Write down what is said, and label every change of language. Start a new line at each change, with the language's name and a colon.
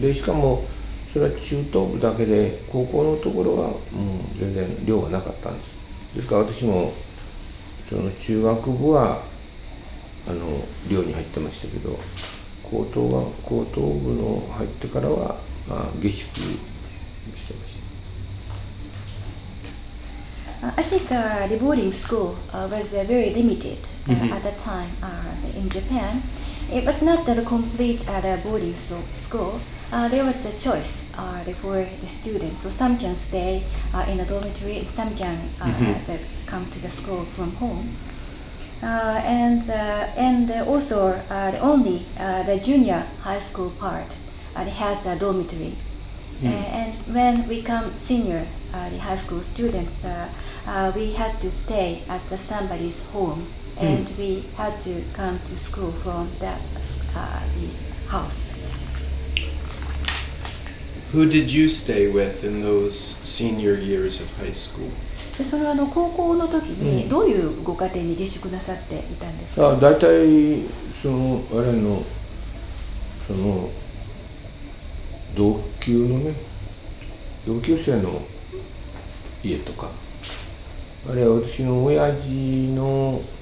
Japanese: でしかもそれは中等部だけで、高校のところはもう全然寮はなかったんです。ですから私もその中学部は寮に入ってましたけど、高等部の入ってからは、下宿してました。
English: I think the boarding school was very limited at that time in Japan. It was not the complete boarding school. There was a choice for the students. So some can stay in a dormitory, some can come to the school from home. The only the junior high school part has a dormitory. And when we come senior the high school students, we had to stay at somebody's home, and we had to come to school from that the house. Who did you stay with in those senior years of high school?
Japanese: でその高校の時にどういうご家庭に下宿なさっていたんですか？大体その我々のその同級のね、同級生の家とか、あるいは私の親父の、お